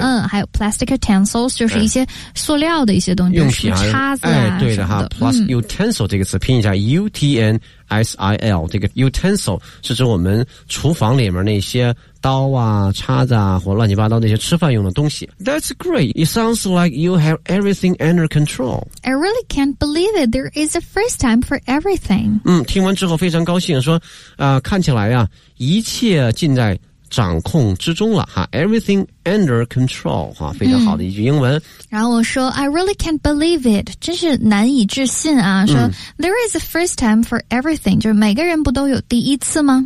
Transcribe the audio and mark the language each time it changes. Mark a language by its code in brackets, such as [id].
[zh] 嗯还有 [en] plastic utensils [zh] 就是一些塑料的一些东西用品、啊、叉子啊、哎、对的哈的 plus utensil 这个词、嗯、拼一下 UTNSIL 这个 utensil 是指我们厨房里面那些刀啊、叉子啊或乱七八糟那些吃饭用的东西。 [en] That's great. It sounds like you have everything under control. I really can't believe it. There is a first time for everything. [zh] 嗯，听完之后非常高兴，说，看起来啊，一切尽在掌控之中了哈。 [en] Everything under control [zh] 哈，非常好的一句英文。然后我说 [en] I really can't believe it， [zh] 真是难以置信啊。说 [en] There is a first time for everything， [zh] 就是每个人不都有第一次吗？